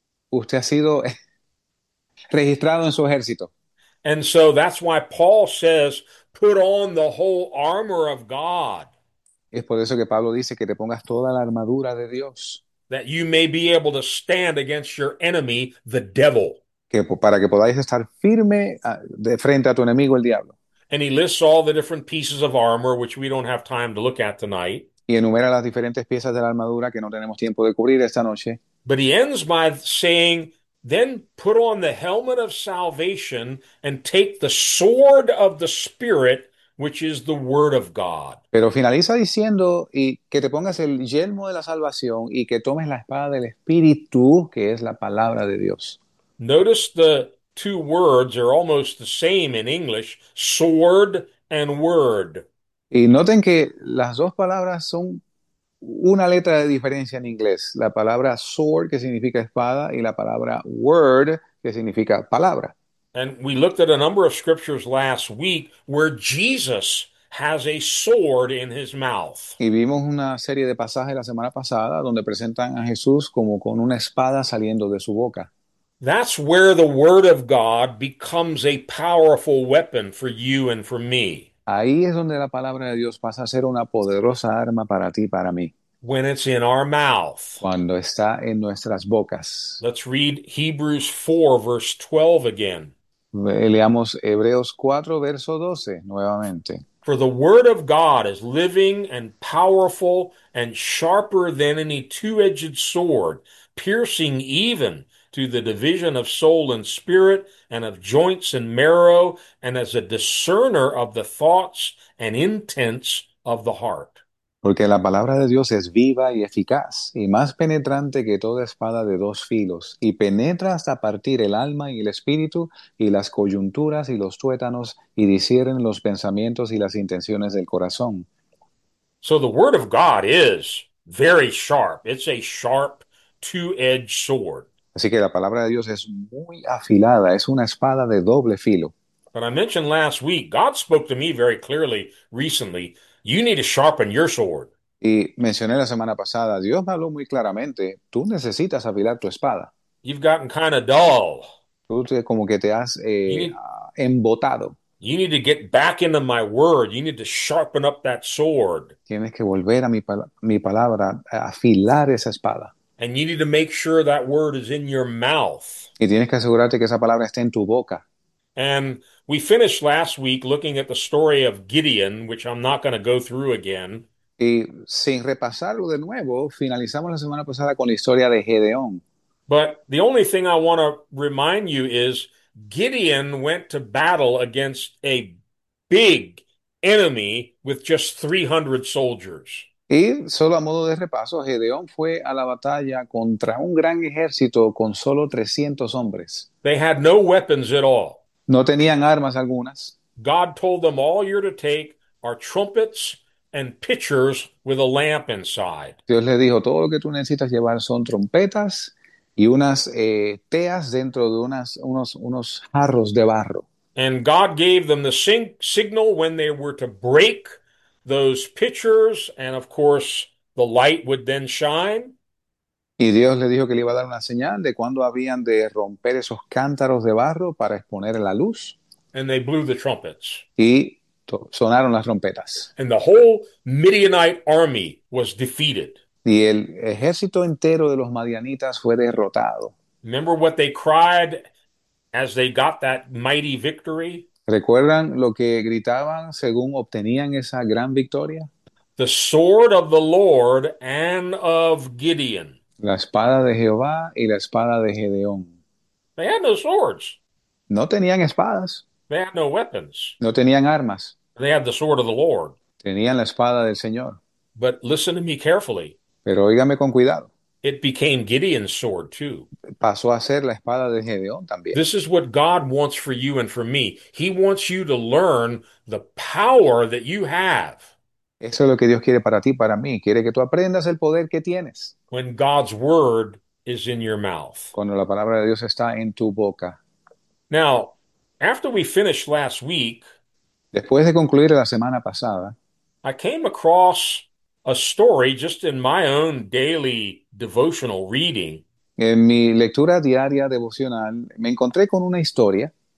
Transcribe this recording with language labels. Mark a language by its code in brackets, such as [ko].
[es] Usted ha sido registrado en su ejército. [en] And so that's why Paul says, put on the whole armor of God, [es] Es por eso que Pablo dice que te pongas toda la armadura de Dios. [en] that you may be able to stand against your enemy, the devil. [es] Que para que podáis estar firme de frente a tu enemigo, el diablo. [en] And he lists all the different pieces of armor, which we don't have time to look at tonight. [es] Y enumera las diferentes piezas de la armadura que no tenemos tiempo de cubrir esta noche. [en] But he ends by saying, then put on the helmet of salvation and take the sword of the Spirit, which is the word of God. [es] Pero finaliza diciendo y que te pongas el yelmo de la salvación y que tomes la espada del Espíritu, que es la palabra de Dios. [en] Notice the two words are almost the same in English, sword and word. [es] Y noten que las dos palabras son una letra de diferencia en inglés. La palabra sword, que significa espada, y la palabra word, que significa palabra. [en] And we looked at a number of scriptures last week where Jesus has a sword in his mouth. [es] Y vimos una serie de pasajes la semana pasada donde presentan a Jesús como con una espada saliendo de su boca. [en] That's where the word of God becomes a powerful weapon for you and for me. [es] Ahí es donde la palabra de Dios pasa a ser una poderosa arma para ti y para mí. [en] When it's in our mouth. [es] Cuando está en nuestras bocas. [en] Let's read Hebrews 4, verse 12 again. [es] Leamos Hebreos 4, verso 12, nuevamente. [en] For the word of God is living and powerful and sharper than any two-edged sword, piercing even to the division of soul and spirit and of joints and marrow, and as a discerner of the thoughts and intents of the heart. [es] Porque la palabra de Dios es viva y eficaz, y más penetrante que toda espada de dos filos, y penetra hasta partir el alma y el espíritu, y las coyunturas y los tuétanos, y discierne los pensamientos y las intenciones del corazón. [en] So the word of God is very sharp. It's a sharp two-edged sword. [es] Así que la palabra de Dios es muy afilada, es una espada de doble filo. [en] But I mentioned last week, God spoke to me very clearly recently. You need to sharpen your sword. [es] Y mencioné la semana pasada, Dios me habló muy claramente, tú necesitas afilar tu espada. [en] You've gotten kind of dull. [es] Tú como que te has embotado. [en] You need to get back into my word. You need to sharpen up that sword. [es] Tienes que volver a mi palabra, a afilar esa espada. [en] And you need to make sure that word is in your mouth. [es] Y tienes que asegurarte que esa palabra esté en tu boca. [en] And we finished last week looking at the story of Gideon, which I'm not going to go through again. [es] Y sin repasarlo de nuevo, finalizamos la semana pasada con la historia de Gedeón. [en] But the only thing I want to remind you is Gideon went to battle against a big enemy with just 300 soldiers. [es] Y solo a modo de repaso, Gedeón fue a la batalla contra un gran ejército con solo 300 hombres. [en] They had no weapons at all. [es] No tenían armas algunas. [en] God told them, all you're to take are trumpets and pitchers with a lamp inside. [es] Dios le dijo, todo lo que tú necesitas llevar son trompetas y unas teas dentro de unos jarros de barro. [en] And God gave them the signal when they were to break those pitchers, and of course, the light would then shine. [es] Y Dios le dijo que le iba a dar una señal de cuándo habían de romper esos cántaros de barro para exponer la luz. [en] And they blew the trumpets. [es] Y sonaron las trompetas. [en] And the whole Midianite army was defeated. [es] Y el ejército entero de los madianitas fue derrotado. [en] Remember what they cried as they got that mighty victory? [es] ¿Recuerdan lo que gritaban según obtenían esa gran victoria? [en] The sword of the Lord and of Gideon. [es] La espada de Jehová y la espada de Gedeón. [en] They had no swords. [es] No tenían espadas. [en] They had no weapons. [es] No tenían armas. [en] They had the sword of the Lord. [es] Tenían la espada del Señor. [en] But listen to me carefully. [es] Pero óigame con cuidado. [en] It became Gideon's sword too. [es] Pasó a ser la espada de Gedeón también. [en] This is what God wants for you and for me. He wants you to learn the power that you have. [es] Eso es lo que Dios quiere para ti, para mí. Quiere que tú aprendas el poder que tienes. [en] When God's word is in your mouth. [es] Cuando la palabra de Dios está en tu boca. [en] Now, after we finished last week, [es] Después de concluir la semana pasada. [en] I came across a story just in my own daily devotional reading. [es] En mi lectura diaria devocional me encontré con una historia.